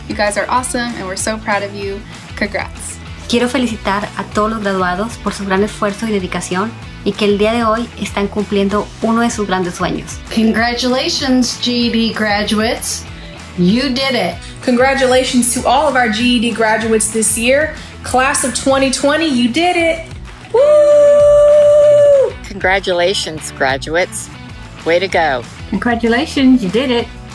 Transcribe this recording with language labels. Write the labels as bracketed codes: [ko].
[en] You guys are awesome and we're so proud of you. Congrats. [es] Quiero felicitar a todos los graduados por su gran esfuerzo y dedicación y que el día de hoy están cumpliendo uno de sus grandes sueños. [en] Congratulations, GED graduates. You did it. Congratulations to all of our GED graduates this year. Class of 2020, you did it. Woo! Congratulations, graduates. Way to go. Congratulations, you did it.